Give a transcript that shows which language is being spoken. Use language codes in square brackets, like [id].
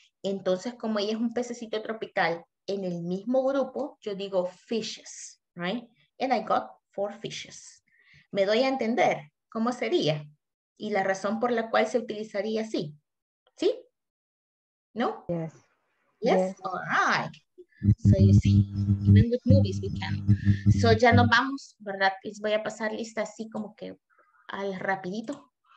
[es] Entonces, como ella es un pececito tropical, en el mismo grupo, yo digo [en] fishes, right? And I got four fishes. [es] ¿Me doy a entender cómo sería? Y la razón por la cual se utilizaría así. ¿Sí? ¿No? [en] Yes. Yes? Yes. All right. So you see, even with movies we can. [es] So ya nos vamos, ¿verdad? Les voy a pasar lista así como que al rapidito.